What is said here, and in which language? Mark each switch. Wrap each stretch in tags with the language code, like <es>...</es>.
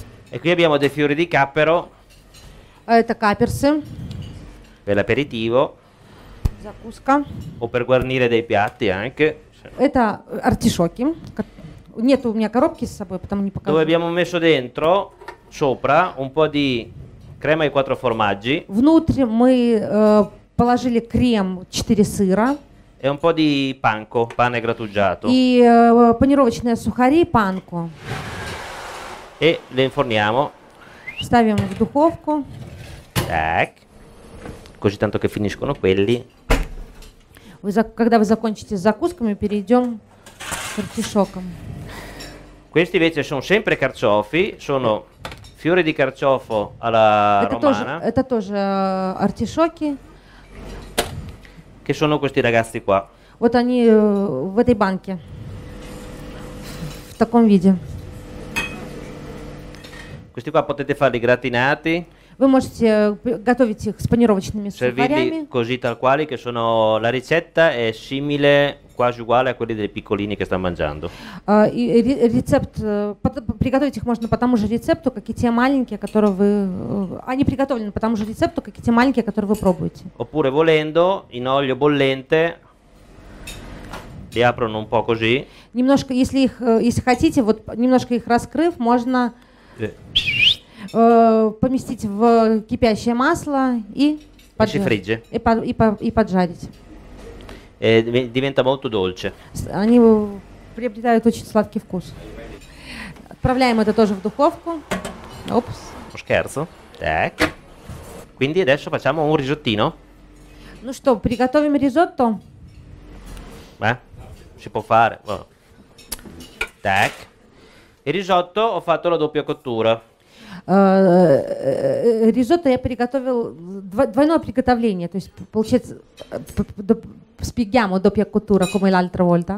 <it>E qui abbiamo dei fiori di cappero.</it> <ru>Это каперсы.</ru> <it>Per l'aperitivo.</it> <ru>Закуска.</ru> <it>O per guarnire dei piatti anche.</it> <ru>Это артишоки. Нет у меня коробки с собой, потому не покажу.</ru> <it>Dove abbiamo messo dentro, sopra, un po' di crema e quattro formaggi.</it> <ru>Внутрь мы положили крем, 4 сыра.</ru> <it>E un po' di panko, pane grattugiato.</it> <ru>И панировочные сухари, панко.</ru> <it>E le inforniamo.</it> <ru>Ставим в духовку. Так.</ru> <it>Così tanto che finiscono quelli. Quando voi</it> <ru>закончите с закусками, перейдем к артишокам.</ru> <it>Questi invece sono sempre carciofi, sono fiori di carciofo alla romana.</it> <ru>Это тоже артишоки.</ru> <it>Che sono questi ragazzi qua?</it> <ru>Вот они в этой банке. В таком виде.</ru> <it>Questi qua potete farli gratinati.</it> <ru>Вы можете готовить их с панировочными сухарями.</ru> <it>Così tal quali, che sono la ricetta è simile, quasi uguale a quelli dei piccolini che stanno mangiando.</it> <ru>Рецепт приготовить их можно по тому же рецепту, как и те маленькие, которые вы они приготовлены по тому же рецепту, как и те маленькие, которые вы пробуете.</ru> <it>Oppure volendo in olio bollente li aprono un po' così.</it> <ru>Немножко, если их, если хотите, вот немножко их раскрыв, можно поместить в кипящее масло и поджарить. И поджарить.</ru> <it>E diventa molto dolce.</it> <ru>Они приобретают очень сладкий вкус. Отправляем это тоже в духовку. Опс. Ну, scherzo. Так.</ru> <it>Quindi adesso facciamo un risottino.</it> <ru>Ну что, приготовим ризотто?</ru> <it>Si può fare.</it> <ru>Так.</ru> <it>Il risotto ho fatto la doppia cottura.</it> <ru>Ризотто я приготовил двойное приготовление, то есть получается</ru> <it>spieghiamo doppia cottura come l'altra volta.</it>